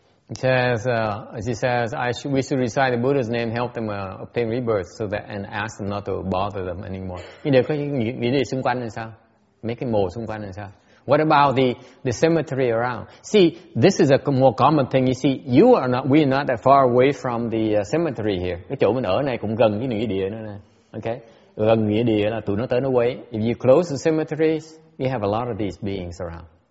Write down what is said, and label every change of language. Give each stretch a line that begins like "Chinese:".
English: She says, we should recite the Buddha's name, help them obtain rebirth, so that and ask them not to bother them anymore.
Vietnamese: Nhưng nếu có nghĩ gì xung quanh thì sao? Mấy cái mồ xung quanh thì sao?
English: What about the cemetery around? See, this is a more common thing. You see, we are not that far away from the cemetery here.
Vietnamese: Cái chỗ mình ở này cũng gần cái nghĩa địa nữa nè. Okay, gần nghĩa địa là tụi nó tới nó quấy.
English: If you close the cemeteries, you have a lot of these beings around.